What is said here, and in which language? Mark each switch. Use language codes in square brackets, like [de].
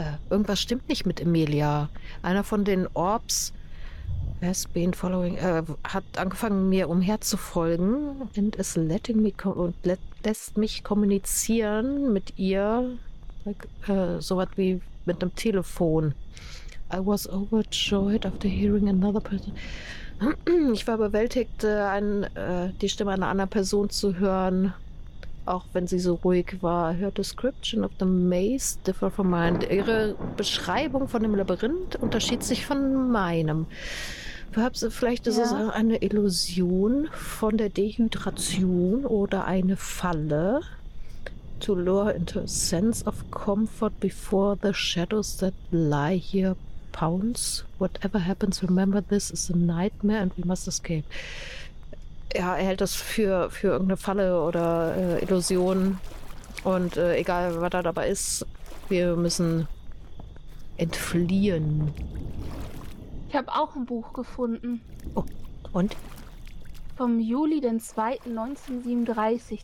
[de] Irgendwas stimmt nicht mit Emilia. Einer von den Orbs [en] has been following, [de] hat angefangen, mir umherzufolgen [en] and is letting me [de] lässt mich kommunizieren mit ihr. Like, so was wie mit einem Telefon. [en] I was overjoyed after hearing another person. [de] Ich war überwältigt, die Stimme einer anderen Person zu hören. Auch wenn sie so ruhig war. [en] Her description of the maze differ from mine. [de] Ihre Beschreibung von dem Labyrinth unterschied sich von meinem. Vielleicht ist es eine Illusion von der Dehydration oder eine Falle. [en] To lure into a sense of comfort before the shadows that lie here pounce. Whatever happens, remember this is a nightmare and we must escape. [de] Ja, er hält das für irgendeine Falle oder Illusion. Und egal, was da dabei ist, wir müssen entfliehen. Ich habe auch ein Buch gefunden. Oh, und? Vom Juli, den 2. 1937.